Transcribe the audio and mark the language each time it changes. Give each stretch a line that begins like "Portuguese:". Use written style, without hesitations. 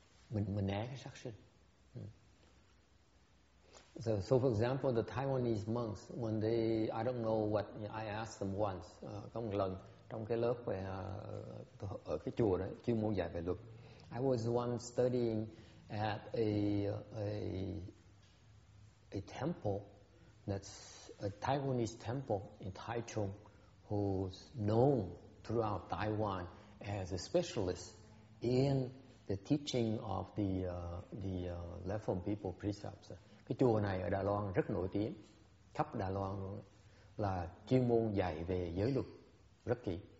Vietnamese: Mình né cái sát sinh.
English: So for example, the Taiwanese monks, when they, I don't know what, you know, I asked them once,
Vietnamese: có một lần trong cái lớp về ở cái chùa đó, chuyên môn dạy về luật.
English: I was once studying at a temple, that's a Taiwanese temple in Taichung, who's known throughout Taiwan as a specialist in the teaching of the left home people precepts.
Vietnamese: Cái chùa này ở Đài Loan rất nổi tiếng, khắp Đài Loan luôn, là chuyên môn dạy về giới luật rất kỹ.